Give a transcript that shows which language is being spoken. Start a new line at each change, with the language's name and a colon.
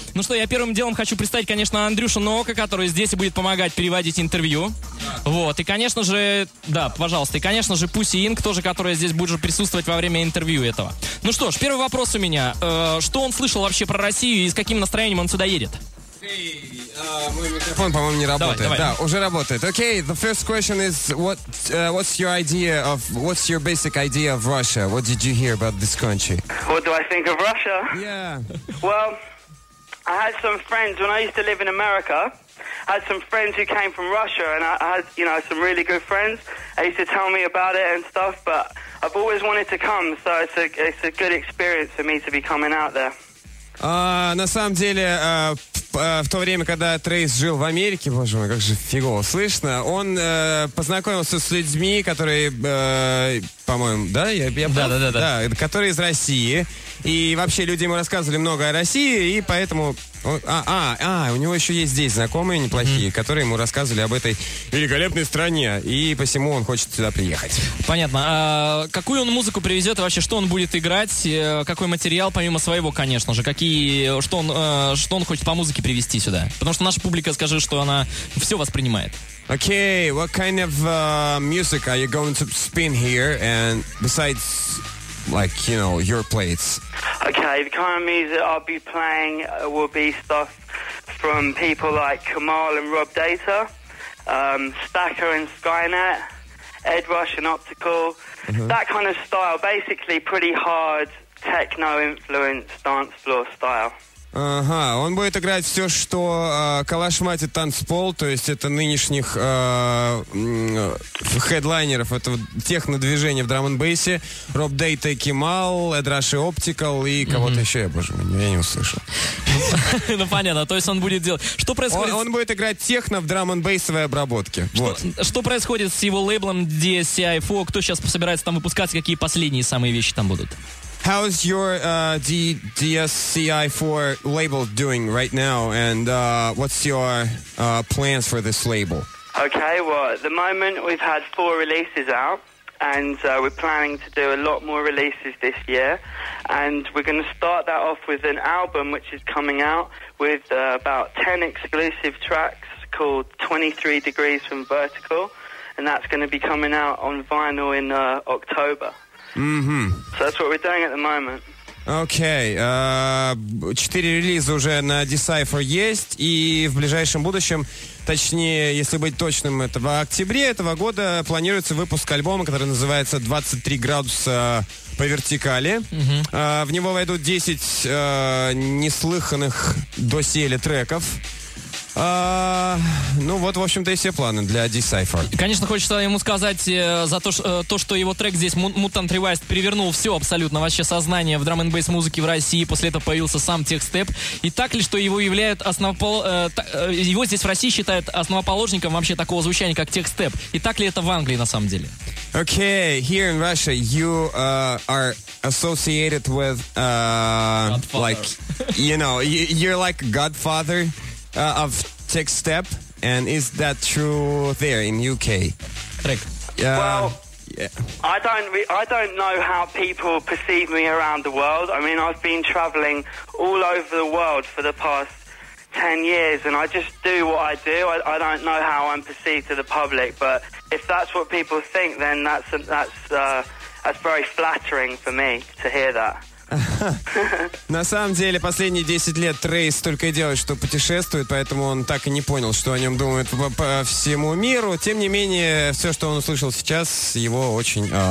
Russian: Ну что, я первым делом хочу представить, конечно, Андрюшу Нока, который здесь и будет помогать переводить интервью. Вот, и, конечно же, да, пожалуйста, и, конечно же, Pussy Inc. тоже, которая здесь будет присутствовать во время интервью этого. Ну что ж, первый вопрос у меня. Что он слышал вообще про Россию и с каким настроением он сюда едет? Мой микрофон, по-моему, не работает. Давай, давай. Да, уже работает.
English: Okay, the first question is what's your basic idea of Russia? What did you hear about this country? What do I think of Russia? Yeah. Well, I had some friends when I used to live in America. I had some friends who came from Russia, and I had, you know, some really good friends. They used to tell me about it and stuff, but I've always wanted to come, so it's a good experience for me to be coming out there.
Russian: На самом деле, в то время, когда Трейс жил в Америке, боже мой, как же фигово слышно, он познакомился с людьми, которые, по-моему, да? Да. Которые из России. И вообще люди ему рассказывали много о России, и поэтому... у него еще есть здесь знакомые неплохие, mm-hmm. которые ему рассказывали об этой великолепной стране, и посему он хочет сюда приехать. Понятно. А какую он музыку привезет, и вообще что он будет играть, какой материал, помимо своего, конечно же, что он хочет по музыке привезти сюда? Потому что наша публика, скажи, что она все воспринимает.
English: Okay, what kind of music are you going to spin here, and besides... Like, you know, your plates. Okay, the kind of music I'll be playing will be stuff from people like Kamal and Rob Data, Stacker and Skynet, Ed Rush and Optical, mm-hmm. that kind of style, basically pretty hard techno-influenced dance floor style.
Russian: Ага, он будет играть все, что калашматит танцпол, то есть это нынешних хедлайнеров этого техно-движения в драм-н-бейсе. Rob Data, Kemal, Ed Rush и Optical и кого-то mm-hmm. еще, я, боже мой, я не услышал. Ну понятно, то есть он будет делать... Что происходит... Он будет играть техно в драм-н-бейсовой обработке. Что происходит с его лейблом DSCI4? Кто сейчас собирается там выпускать? Какие последние самые вещи там будут?
English: How is your DSCI4 label doing right now, and what's your plans for this label? Okay, well, at the moment we've had 4 releases out, and we're planning to do a lot more releases this year, and we're going to start that off with an album which is coming out with about 10 exclusive tracks called 23 Degrees from Vertical, and that's going to be coming out on vinyl in October. Mm-hmm. So that's what we're doing at the moment. Okay.
Russian: 4 релиза уже на Decipher есть, и в ближайшем будущем, точнее, если быть точным, это в октябре этого года планируется выпуск альбома, который называется 23 градуса по вертикали. Mm-hmm. В него войдут 10 неслыханных доселе треков. Ну вот, в общем-то, и все планы для Decipher. Конечно, хочется ему сказать за то, что его трек здесь, Mutant Revised, перевернул все абсолютно, вообще сознание в драм-н-бейс музыке в России. После этого появился сам Техстеп. И так ли, что его являют его здесь в России считают основоположником вообще такого звучания, как Техстеп? И так ли это в Англии на самом деле?
English: Okay, here in Russia you are associated with Godfather. Like, you know, you're like Godfather of Tech Step, and is that true there in UK? I don't know how people perceive me around the world. I mean, I've been traveling all over the world for the past 10 years, and I just do what I do. I don't know how I'm perceived to the public, but if that's what people think, then that's very flattering for me to hear that.
Russian: На самом деле, последние 10 лет Трейс только и делает, что путешествует, поэтому он так и не понял, что о нем думают по всему миру. Тем не менее, все, что он услышал сейчас, его очень...